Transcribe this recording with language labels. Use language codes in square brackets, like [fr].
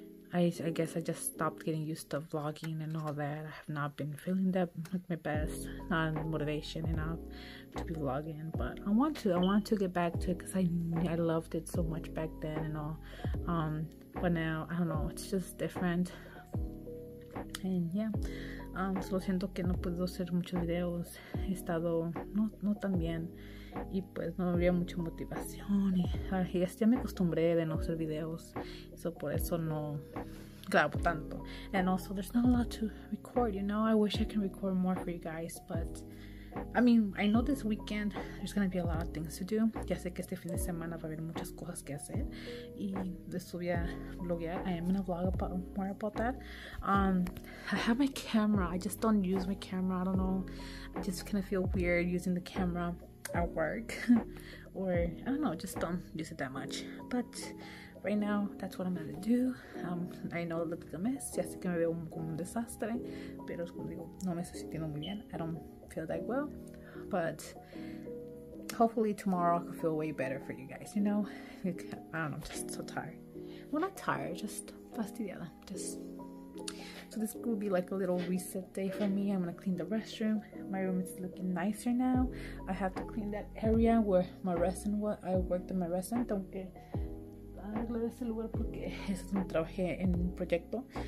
[en] I guess I just stopped getting used to vlogging and all that. I have not been feeling that with my best, not motivation enough to be vlogging, but I want to get back to it because I loved it so much back then and all. But now I don't know, it's just different. [es] And yeah, solo siento que no puedo hacer muchos videos, he estado no tan bien y pues no había mucha motivación y ya me acostumbré de no hacer videos, so por eso no grabo tanto. [en] And also there's not a lot to record, you know. I wish I can record more for you guys, but I mean, I know this weekend there's gonna be a lot of things to do. [es] Ya sé que este fin de semana va a haber muchas cosas que hacer y les voy a vloguear. [en] I am gonna vlog about more about that. I have my camera, I just don't use my camera. I don't know, I just kind of feel weird using the camera at work. Or I don't know, just don't use it that much. But right now that's what I'm gonna do. I know it looks like a mess, [es] ya sé que me veo como un desastre, pero como digo, no me estoy sintiendo muy bien. [en] I don't feel that well, but hopefully tomorrow I can feel way better for you guys, you know. I don't know, I'm just so tired. Well, not tired, just fastidiada. Just so this will be like a little reset day for me. I'm gonna clean the restroom. My room is looking nicer now. I have to clean that area where my resin was. I worked in my resin. [es] Tengo que arreglar ese lugar porque es donde trabajé en un proyecto.